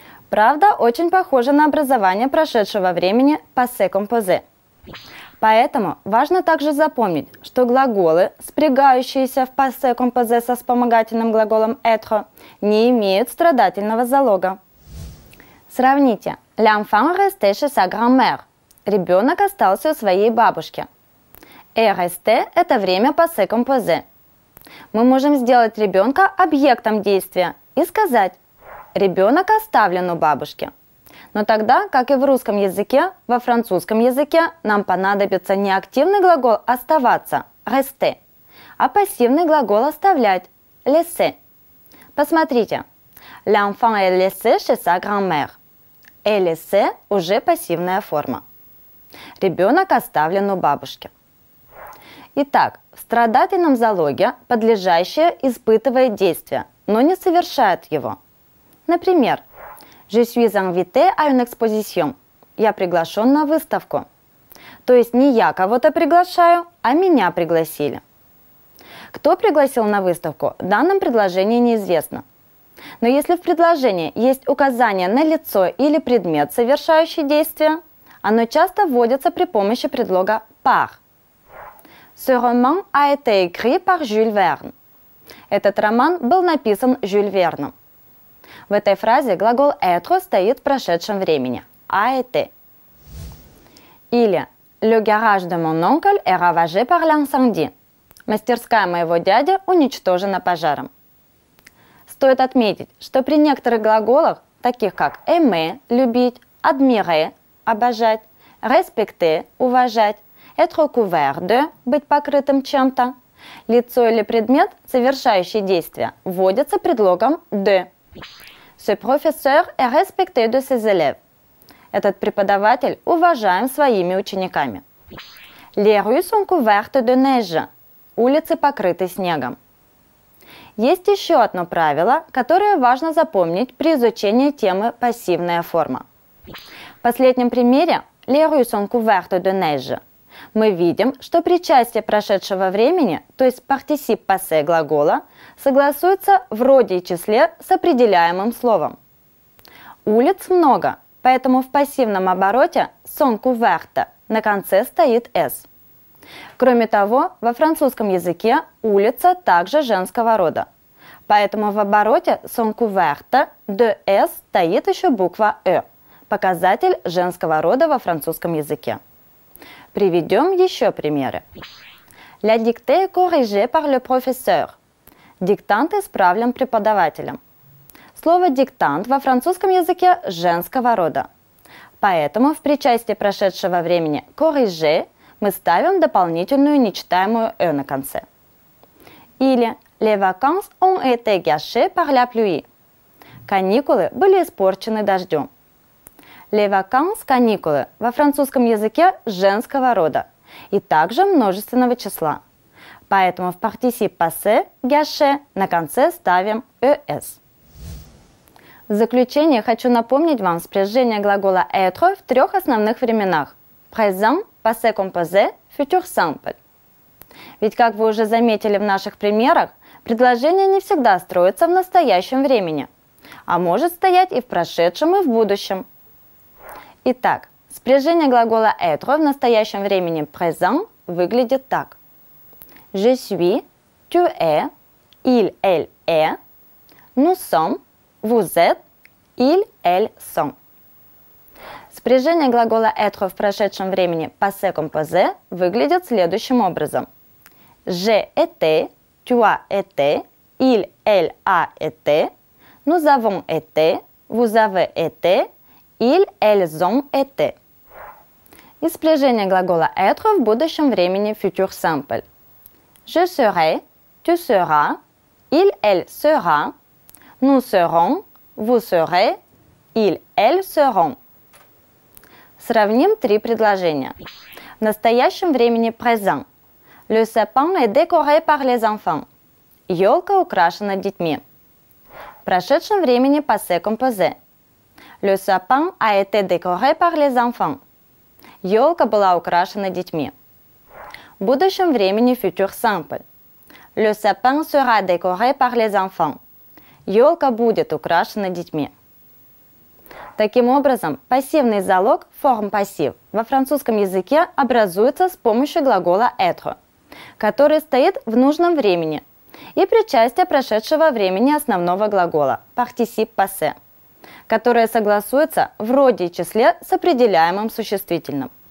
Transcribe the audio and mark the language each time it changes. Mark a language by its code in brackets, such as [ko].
[ru] Правда, очень похоже на образование прошедшего времени «passé composé». Поэтому важно также запомнить, что глаголы, спрягающиеся в passé composé со вспомогательным глаголом être, не имеют страдательного залога. Сравните. [fr] L'enfant restait chez sa grand-mère. [ru] Ребенок остался у своей бабушки. Est resté – это время passé composé. Мы можем сделать ребенка объектом действия и сказать: ребенок оставлен у бабушки. Но тогда, как и в русском языке, во французском языке нам понадобится не активный глагол «оставаться» – «rester», а пассивный глагол «оставлять» – «laisser». Посмотрите. [fr] L'enfant est laissé chez sa grand-mère. [ru] Et laisser – уже пассивная форма. Ребенок оставлен у бабушки. Итак, в страдательном залоге подлежащее испытывает действие, но не совершает его. Например, [fr] Je suis invité à une exposition. [ru] Я приглашен на выставку. То есть не я кого-то приглашаю, а меня пригласили. Кто пригласил на выставку, в данном предложении неизвестно. Но если в предложении есть указание на лицо или предмет, совершающий действие, оно часто вводится при помощи предлога par. [fr] Ce roman a été écrit par Jules Verne. [ru] Этот роман был написан Жюль Верном. В этой фразе глагол «être» стоит в прошедшем времени – «a été». [fr] Или «Le garage de mon oncle est ravagé par l'incendie» – [ru] «Мастерская моего дяди уничтожена пожаром». Стоит отметить, что при некоторых глаголах, таких как «aimer» – «любить», «admirer» – «обожать», «respecter» – «уважать», «être couvert de» – «быть покрытым чем-то», лицо или предмет, совершающий действие, вводится предлогом «de». [fr] Ce professeur est respecté de ses élèves. [ru] Этот преподаватель уважаем своими учениками. [fr] Les rues sont couvertes de neige. [ru] Улицы покрыты снегом. Есть еще одно правило, которое важно запомнить при изучении темы пассивная форма. В последнем примере [fr] Les rues sont couvertes de neige. [ru] Мы видим, что причастие прошедшего времени, то есть particip passé глагола, согласуется вроде и числе с определяемым словом. Улиц много, поэтому в пассивном обороте sont couvertes на конце стоит s. Кроме того, во французском языке улица также женского рода. Поэтому в обороте sont couvertes de s стоит еще буква e, показатель женского рода во французском языке. Приведем еще примеры. [fr] La dictée est corrigée par le professeur. [ru] Диктант исправлен преподавателем. Слово «диктант» во французском языке женского рода. Поэтому в причастии прошедшего времени «corrigé» мы ставим дополнительную нечитаемую «e» на конце. [fr] Или «les vacances ont été gâchées par la pluie». [ru] Каникулы были испорчены дождем. Les vacances – каникулы во французском языке женского рода и также множественного числа. Поэтому в particip passé – gâché на конце ставим «es». В заключение хочу напомнить вам спряжение глагола «être» в трех основных временах [fr] Present, passé composé, futur simple. [ru] Ведь, как вы уже заметили в наших примерах, предложение не всегда строится в настоящем времени, а может стоять и в прошедшем, и в будущем. Итак, спряжение глагола être в настоящем времени present выглядит так. [fr] Je suis, tu es, il, elle est, nous sommes, vous êtes, ils, elles sont. [ru] Спряжение глагола être в прошедшем времени passé composé выглядит следующим образом. [fr] Je étais, tu as été, il, elle a été, nous avons été, vous avez été, ils, elles ont été. [ru] И спряжение глагола être в будущем времени future simple. [fr] Je serai, tu seras, il, elle sera, nous serons, vous serez, ils, elles seront. [ru] Сравним три предложения. В настоящем времени present. [fr] Le sapin est décoré par les enfants. [ru] Ёлка украшена детьми. В прошедшем времени passé composé. [fr] Le sapin a été décoré par les enfants. [ru] Ёлка была украшена детьми. В будущем времени future simple. [fr] Le sapin sera décoré par les enfants. [ru] Ёлка будет украшена детьми. Таким образом, пассивный залог «форм пассив» во французском языке образуется с помощью глагола «être», который стоит в нужном времени, и причастие прошедшего времени основного глагола «particip passé», которое согласуется в роде и числе с определяемым существительным.